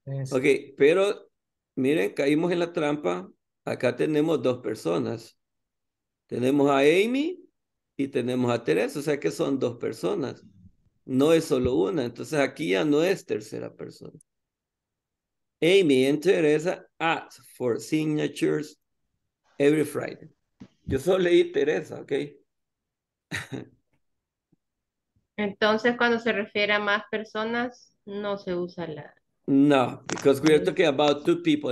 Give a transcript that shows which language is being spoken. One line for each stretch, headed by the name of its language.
Spanish: Ok, pero miren, caímos en la trampa. Acá tenemos dos personas. Tenemos a Amy y tenemos a Teresa, o sea que son dos personas. No es solo una, entonces aquí ya no es tercera persona.
English: Amy and Teresa ask for signatures every Friday.
Spanish: Yo solo leí Teresa, ok. Entonces, cuando se refiere a más personas, no se usa la...
English: No, because we are talking about two people.